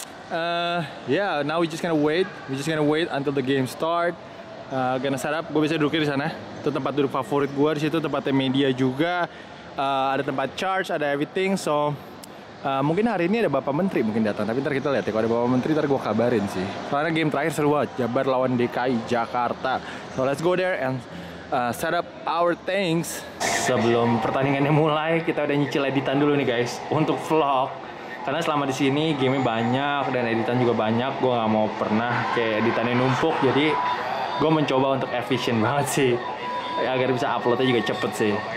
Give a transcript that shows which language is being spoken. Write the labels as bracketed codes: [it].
[en] Now we just gonna wait until the game start. Gonna set up, [id] gue bisa duduk di sana. Itu tempat duduk favorit gue di situ, tempatnya media juga. Ada tempat charge, ada everything. So mungkin hari ini ada bapak menteri mungkin datang. Tapi ntar kita lihat ya, kalau ada bapak menteri ntar gue kabarin sih. Soalnya game terakhir seru banget, Jabar lawan DKI Jakarta. [en] So let's go there and set up our things. [id] Sebelum pertandingannya mulai, kita udah nyicil editan dulu nih guys untuk vlog. Karena selama di sini game-nya banyak dan editan juga banyak, gue nggak mau pernah kayak editannya numpuk. Jadi gue mencoba untuk efisien banget sih, agar bisa uploadnya juga cepet sih.